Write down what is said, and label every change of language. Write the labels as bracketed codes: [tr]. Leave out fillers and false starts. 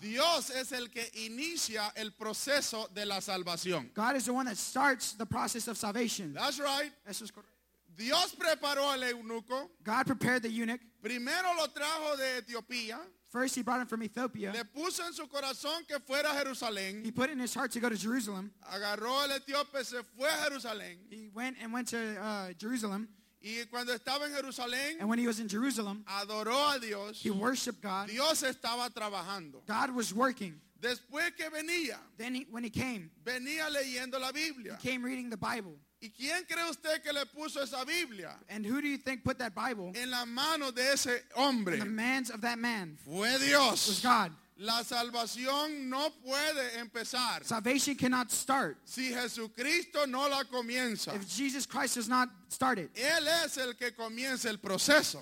[es] Dios es el que inicia el proceso de la salvación. [en] God is the one that starts the process of salvation. That's right. [es] Eso es correcto. Dios preparó al eunuco. [en] God prepared the eunuch. [es] Primero lo trajo de Etiopía. [en] First he brought him from Ethiopia. [es] Le puso en su corazón que fuera a Jerusalén. [en] He put in his heart to go to Jerusalem. [es] Agarró al etíope, se fue a Jerusalén. [en] He went and went to Jerusalem. [es] Y cuando estaba en Jerusalén, [en] and when he was in Jerusalem, [es] adoró a Dios. [en] He worshiped God. [es] Dios estaba trabajando. [en] God was working. [es] Después que venía, [en] then he, when he came, [es] venía leyendo la Biblia. [en] He came reading the Bible. [es] ¿Y quién cree usted que le puso esa Biblia? [en] And who do you think put that Bible? [es] En la mano de ese hombre. [en] In the hands of that man. [es] Fue Dios. [en] It was God. [es] La salvación no puede empezar. [en] Salvation cannot start. [es] Si Jesucristo no la comienza. [en] If Jesus Christ does not start it. [es] Él es el que comienza el proceso.